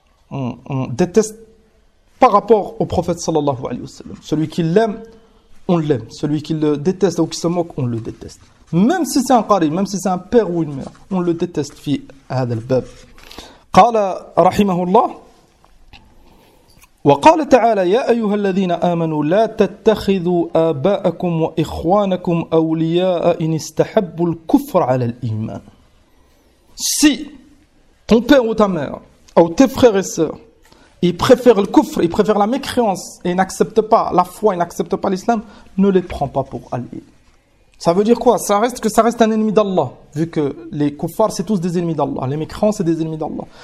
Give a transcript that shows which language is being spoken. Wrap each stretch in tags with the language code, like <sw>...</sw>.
<fr>on déteste par rapport au prophète sallallahu alayhi wa sallam. Celui qui l'aime, on l'aime. Celui qui le déteste ou qui se moque, on le déteste. Même si c'est un qari, même si c'est un père ou une mère, on le déteste</fr> <ar>fi hadha al-bab. Qala rahimahullah. وقال تعالى يا أيها الذين آمنوا لا تتخذوا آباءكم وإخوانكم أولياء إن استحبوا الكفر على الإيمان.</ar> <fr>Si ton père ou ta mère ou tes frères et sœurs, ils préfèrent le kufr, ils préfèrent la mécréance et n'acceptent pas la foi, ils n'acceptent pas l'islam, ne les prends pas pour alliés. Ça veut dire quoi? Ça reste un ennemi d'Allah, vu que les kuffars c'est tous des ennemis d'Allah, les mécréants c'est des ennemis d'Allah.</fr>